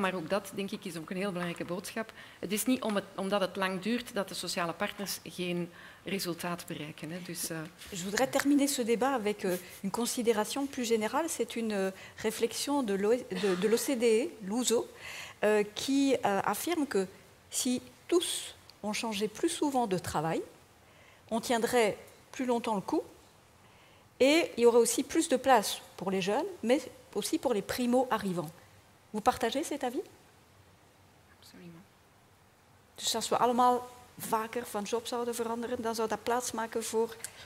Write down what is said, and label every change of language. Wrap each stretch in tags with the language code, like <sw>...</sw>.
<nl>Maar ook dat, denk ik, is ook een heel belangrijke boodschap. Het is niet omdat het lang duurt dat de sociale partners geen resultaat bereiken. Hè? Dus,</nl> <fr>Je voudrais terminer ce débat avec une considération plus générale. C'est une réflexion de l'OCDE, l'USO, qui affirme que si tous ont changé plus souvent de travail, on tiendrait plus longtemps le coup et il y aurait aussi plus de place pour les jeunes, mais aussi pour les primo-arrivants. Vous partagez cet avis? Absolument.</fr> <nl>Dus als we allemaal vaker van job zouden veranderen, dan zou dat plaats maken voor...</nl>